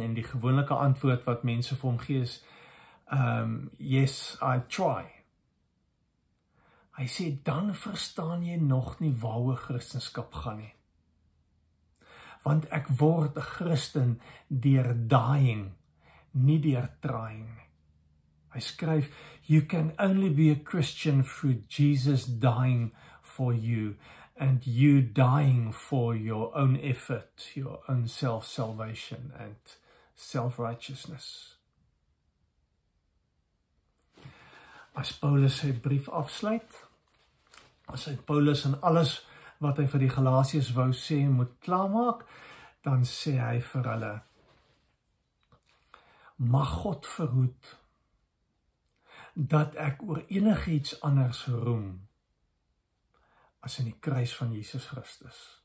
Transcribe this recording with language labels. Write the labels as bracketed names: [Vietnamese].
[Afrikaans] En die gewone antwoord wat mense vir hom gee is, [English] yes, I try. [Afrikaans] Hy sê, dan verstaan jy nog nie waaroor Christenskap gaan nie. Want ek word 'n Christen deur dying, nie deur trying. [English] Hy skryf, you can only be a Christian through Jesus dying for you, and you dying for your own effort, your own self-salvation and self-righteousness. [Afrikaans] As Paulus sy brief afsluit, as hy Paulus en alles wat hy vir die Galasiërs wou sê moet klaarmaak, dan sê hy vir hulle, mag God verhoed dat ek oor enigiets anders roem as in die kruis van Jesus Christus.